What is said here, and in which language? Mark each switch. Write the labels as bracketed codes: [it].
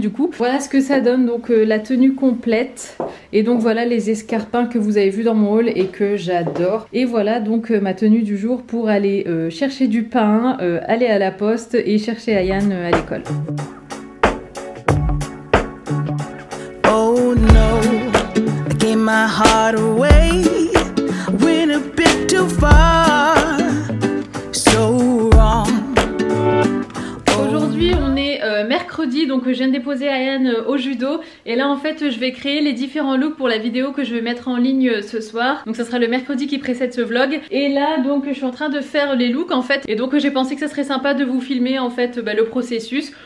[fr] Du coup voilà ce que ça donne, donc la tenue complète, et donc voilà les escarpins que vous avez vu dans mon haul et que j'adore, et voilà donc ma tenue du jour pour aller chercher du pain, aller à la poste et chercher chez Ayane à l'école. [en] Oh no, I gave my heart away, went a bit too far, so wrong. [fr] Aujourd'hui, on est mercredi, donc je viens de déposer Ayane au judo, et là en fait je vais créer les différents looks pour la vidéo que je vais mettre en ligne ce soir, donc ça sera le mercredi qui précède ce vlog, et là donc je suis en train de faire les looks en fait, et donc j'ai pensé que ça serait sympa de vous filmer en fait le processus.